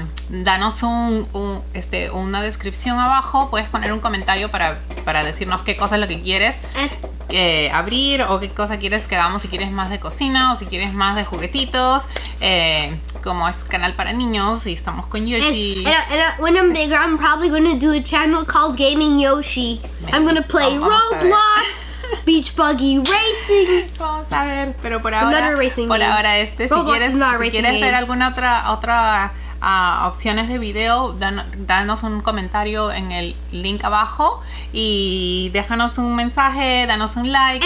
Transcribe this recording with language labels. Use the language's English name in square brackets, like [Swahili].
[Spanish] Danos una descripción abajo. Puedes poner un comentario para decirnos qué cosa es lo que quieres abrir, o qué cosa quieres que hagamos, si quieres más de cocina o si quieres más de juguetitos. Como es canal para niños y estamos con Yoshi. [English] When I'm bigger, I'm probably gonna do a channel called Gaming Yoshi. I'm gonna play Roblox, Beach Buggy Racing. [Spanish] Vamos a ver, pero por ahora, si quieres ver alguna otra opciones de video, danos un comentario en el link abajo y déjanos un mensaje, danos un like.